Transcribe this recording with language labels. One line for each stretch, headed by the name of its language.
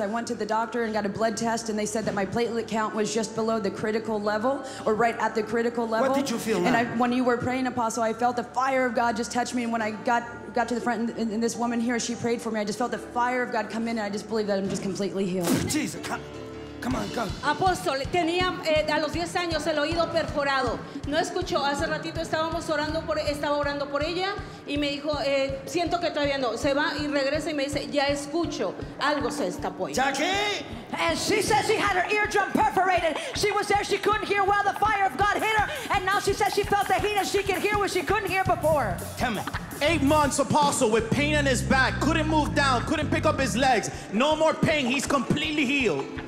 English: I went to the doctor and got a blood test and they said that my platelet count was just below the critical level or right at the critical level. What did you feel? And when you were praying, Apostle, I felt the fire of God just touch me. And when I got to the front and this woman here, she prayed for me. I just felt the fire of God come in and I just believe that I'm just completely healed. Jesus, come on, come.
Spanish: Apóstol, tenía a los 10 años el oído perforado. No escuchó. Hace ratito estaba orando por ella y me dijo, siento que todavía no. Se va y regresa y me dice, ya escucho. Algo se está poniendo. Jackie.
English: And she says she had her eardrum perforated. She was there, she couldn't hear well. The fire of God hit her. And now she says she felt the heat and she could hear what she couldn't hear before. Tell me. 8 months, Apostle, with pain in his back. Couldn't move down, couldn't pick up his legs. No more pain. He's completely healed.